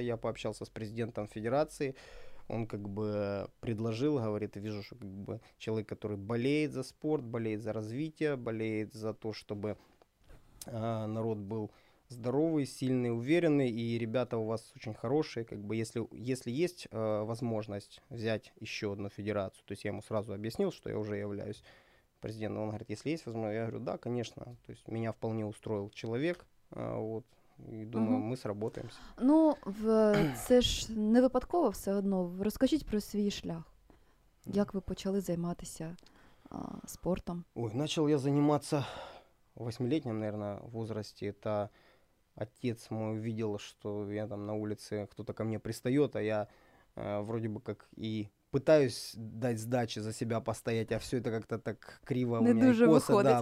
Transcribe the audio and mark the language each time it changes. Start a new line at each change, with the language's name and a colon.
Russian: Я пообщался с президентом Федерации. Он как бы предложил, говорит, вижу, что как бы человек, который болеет за спорт, болеет за развитие, болеет за то, чтобы народ был здоровый, сильный, уверенный, и ребята у вас очень хорошие, как бы если есть возможность взять еще одну федерацию, то есть я ему сразу объяснил, что я уже являюсь президентом, он говорит, если есть возможность, я говорю, да, конечно, то есть меня вполне устроил человек, вот.
Ukrainian: І думаю, ми сработаємося. Ну, це ж не випадково все одно. Розкажіть про свій шлях. Як ви почали займатися спортом? Ой, почав я займатися
Russian: в 8-летнем, наверное, возрасте это отец мой увидел, что я там на улице кто-то ко мне пристает, а я вроде бы как и пытаюсь дать сдачи за себя постоять, а все это как-то так криво не у меня и косо, да,